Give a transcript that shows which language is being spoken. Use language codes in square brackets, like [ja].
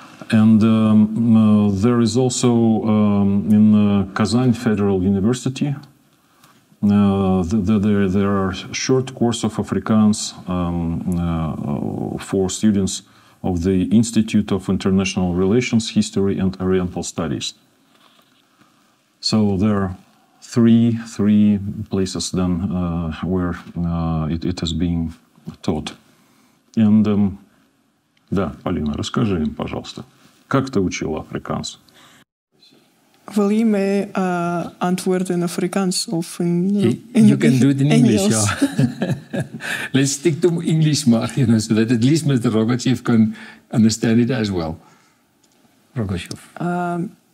[en] And there is also in Kazan Federal University, there are short course of Afrikaans for students of the Institute of International Relations, History and Oriental Studies. So there are three places then where it has been taught. And [ru] да, Полина, расскажи им, пожалуйста. Как ты учила африканс? [en] Will you may answer in Afrikaans of in you can do it in English, yeah. Let's stick to English, Mark, you know, so that at least Mr. Rogachev can understand it as well. Rogachev.